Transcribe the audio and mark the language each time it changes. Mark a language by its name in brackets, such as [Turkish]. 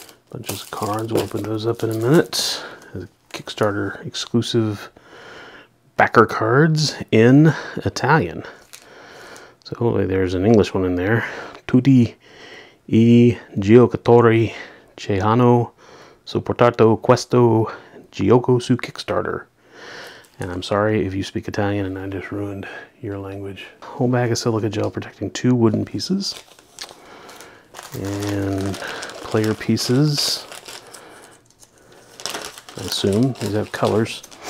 [English] Bunch of cards. We'll open those up in a minute. A Kickstarter exclusive backer cards in Italian. So hopefully there's an English one in there. [Italian] Tutti I giocatori che hanno supportato questo gioco su Kickstarter. [English] And I'm sorry if you speak Italian and I just ruined your language. Whole bag of silica gel protecting two wooden pieces. And player pieces. I assume these have colors.